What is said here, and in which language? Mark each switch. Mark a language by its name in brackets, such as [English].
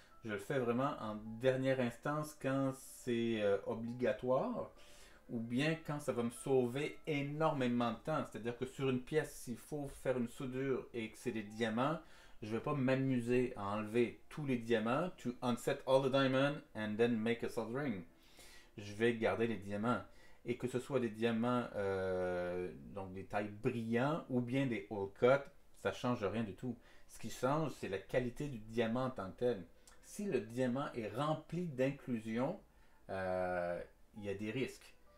[French] Je le fais vraiment en dernière instance quand c'est obligatoire. Ou bien quand ça va me sauver énormément de temps. C'est-à-dire que sur une pièce, s'il faut faire une soudure et que c'est des diamants, je ne vais pas m'amuser à enlever tous les diamants. [English] To unset all the diamonds and then make a solid ring. [French] Je vais garder les diamants. Et que ce soit des diamants, donc des tailles brillantes ou bien des old cut, ça ne change rien du tout. Ce qui change, c'est la qualité du diamant en tant que tel. Si le diamant est rempli d'inclusions, il y a des risques.